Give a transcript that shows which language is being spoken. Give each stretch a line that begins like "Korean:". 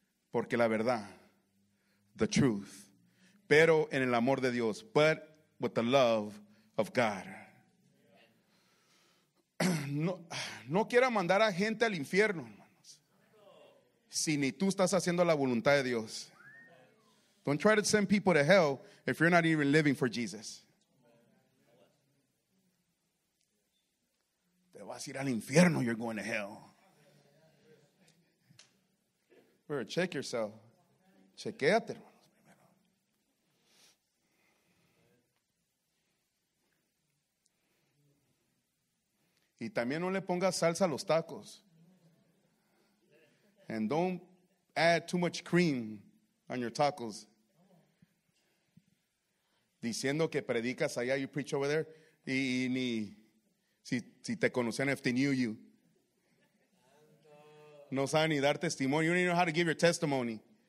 Spanish: Porque la verdad,
English: the truth.
Spanish: Pero en el amor de Dios,
English: but with the love of God.
Spanish: No quiera mandar a gente al infierno, hermanos, si ni tú estás haciendo la voluntad de Dios.
English: Don't try to send people to hell if you're not even living for Jesus.
Spanish: Te vas a ir al infierno,
English: you're going to hell. Or check yourself.
Spanish: Chequéate, hermano. Y también no le pongas salsa a los tacos.
English: And don't add too much cream on your tacos.
Spanish: Diciendo que predicas allá,
English: you preach over there.
Spanish: Y ni si te conocían,
English: if they knew you.
Spanish: No saben ni dar testimonio.
English: You don't even know how to give your testimony.